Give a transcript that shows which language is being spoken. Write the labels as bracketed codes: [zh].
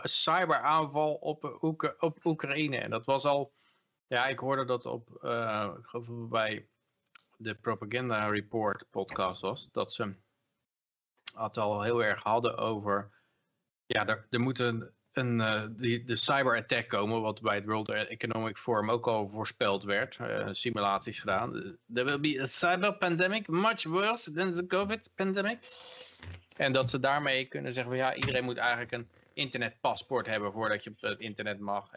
[nl] Een cyberaanval op Oekraïne. En dat was al, ja, ik hoorde dat op, ik geloof dat bij de Propaganda Report podcast was, dat ze het al heel erg hadden over, ja, er moet de cyberattack komen, wat bij het World Economic Forum ook al voorspeld werd, simulaties gedaan. [en] There will be a cyber pandemic, much worse than the COVID pandemic. [nl] En dat ze daarmee kunnen zeggen van ja, iedereen moet eigenlijk een internetpaspoort hebben voordat je op het internet mag.